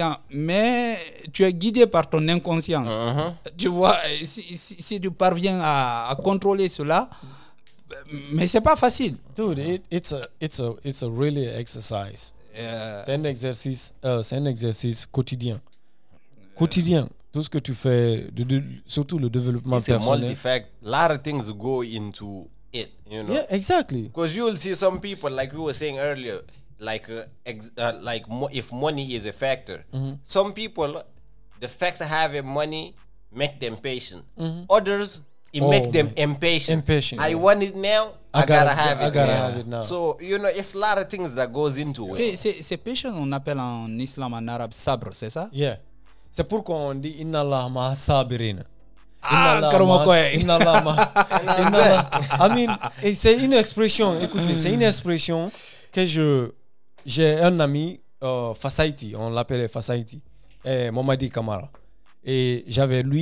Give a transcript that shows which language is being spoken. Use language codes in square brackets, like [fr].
[fr] Mais tu es guidé par ton inconscience. Tu vois, si tu parviens à contrôler cela. Mais c'est pas facile. [en] Dude, it's a really exercise. Yeah. [fr] C'est un exercice quotidien. Quotidien, tout ce que tu fais, surtout le développement personnel. [en] It's a multi-fact. A lot of things go into it, you know. Yeah, exactly. Because you'll see some people, like we were saying earlier, if money is a factor. Mm-hmm. Some people, the fact of having money make them patient. Mm-hmm. Others, make them impatient. I want it now. I gotta have it now. So you know, it's a lot of things that goes into it. [fr] C'est patient. On appelle en islam, en arabe, sabre. C'est ça? [en] Yeah. [fr] C'est pourquoi on dit [ar] inna Allah ma sabirina. [en] I mean, [fr] c'est une expression. Écoutez, c'est une expression que j'ai un ami Fasaiti. On l'appelait Fasaiti. Mamadi Kamara. Et j'avais lui.